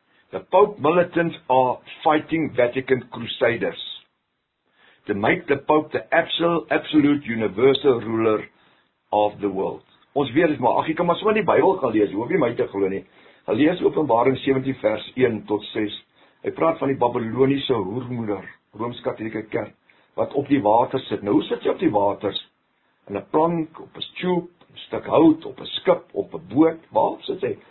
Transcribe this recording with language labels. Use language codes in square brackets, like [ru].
[en] The Pope militants are fighting Vatican crusaders to make the Pope the absolute universal ruler of the world. [af] Ons weet het maar, ach, jy kan maar so in die Bijbel gaan lees, jy hoef nie my te geloof nie. Hy lees Openbaring 17 vers 1 tot 6. Hy praat van die Babyloniese hoermoeder, Rooms-Katholieke Kerk, wat op die water sit. Nou, hoe sit jy op die waters? In een plank, op een stoep, een stuk hout, op een skip, op een boot, waar sit jy?